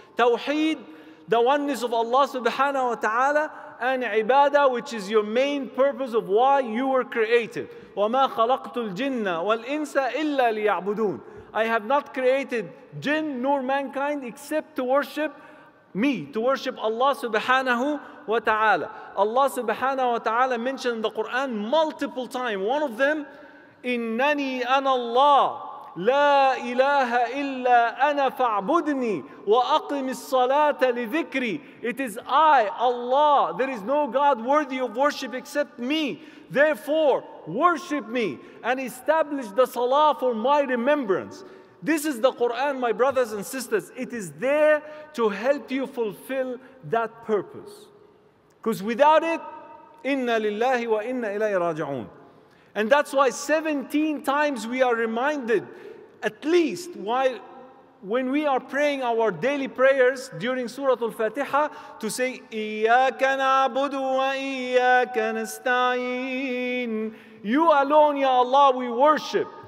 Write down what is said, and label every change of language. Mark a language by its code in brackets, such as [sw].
[en] Tawheed, the oneness of Allah subhanahu wa ta'ala, and ibadah, which is your main purpose of why you were created. [ar] وَمَا خَلَقْتُ الْجِنَّ وَالْإِنسَ إِلَّا لِيَعْبُدُونَ [en] I have not created jinn nor mankind except to worship me, to worship Allah subhanahu wa ta'ala. Allah subhanahu wa ta'ala mentioned in the Qur'an multiple times. One of them, [ar] إِنَّنِي أَنَا اللَّهِ لَا إِلَهَ إِلَّا أَنَا فَاعْبُدْنِي وَأَقِمِ الصَّلَاةَ لِذِكْرِي [en] It is I, Allah. There is no God worthy of worship except me. Therefore, worship me and establish the salah for my remembrance. This is the Qur'an, my brothers and sisters. It is there to help you fulfill that purpose. Because without it, [ar] إِنَّا لِلَّهِ وَإِنَّا إِلَيْهِ رَاجِعُونَ [en] And that's why 17 times we are reminded, at least while when we are praying our daily prayers during Surah Al-Fatiha, to say, [ar] إِيَّاكَ نَعْبُدُ وَإِيَّاكَ نَسْتَعِينَ [en] You alone, Ya Allah, we worship.